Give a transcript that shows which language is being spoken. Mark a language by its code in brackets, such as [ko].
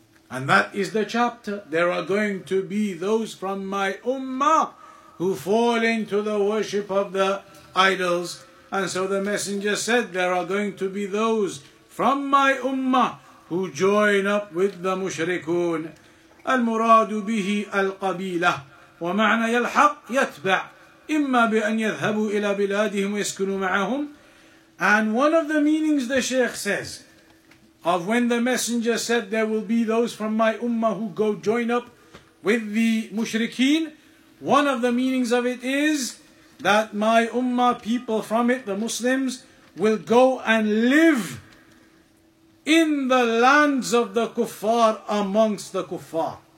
[en] And that is the chapter. There are going to be those from my ummah who fall into the worship of the idols. And so the messenger said, there are going to be those from my ummah who join up with the mushrikun. [ar] المراد به القبيلة ومعنى يلحق يتبع إما بأن يذهبوا إلى بلادهم ويسكنوا معهم. [en] And one of the meanings the Sheikh says of when the messenger said there will be those from my ummah who go join up with the mushrikeen, one of the meanings of it is that my ummah people from it, the Muslims, will go and live in the lands of the kuffar amongst the kuffar.